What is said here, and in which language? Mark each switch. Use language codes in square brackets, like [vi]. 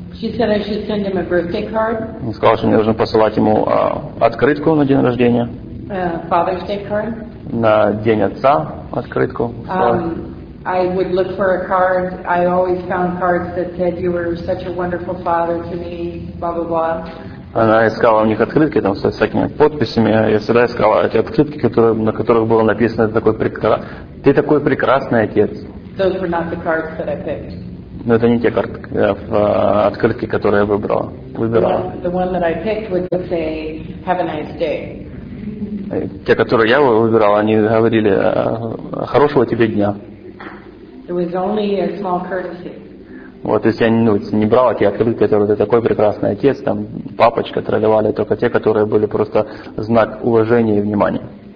[en] She said I should send him a birthday card. [ru] Она сказала, что мне нужно посылать ему открытку на день рождения. [en] Father's Day card. [ru] На день отца открытку. [en] I would look for a card. I always found cards that said you were such a wonderful father to me. Blah blah blah. [ru] Она искала у них открытки там со всякими подписями. Я всегда искала эти открытки, которые, на которых было написано «Ты такой прекрасный отец». [en] Those were not the cards that I picked. [ru] Но это не те карты, открытки, которые я выбирала. [en] The one that I picked would say, have a nice day. [ru] Те, которые я выбирала, они говорили, хорошего тебе дня. [en] It was only a small courtesy. [ru] Вот, если я не брал те открытки, которые ты такой прекрасный отец, там, папочка, тролливали, только те, которые были просто знак уважения и внимания.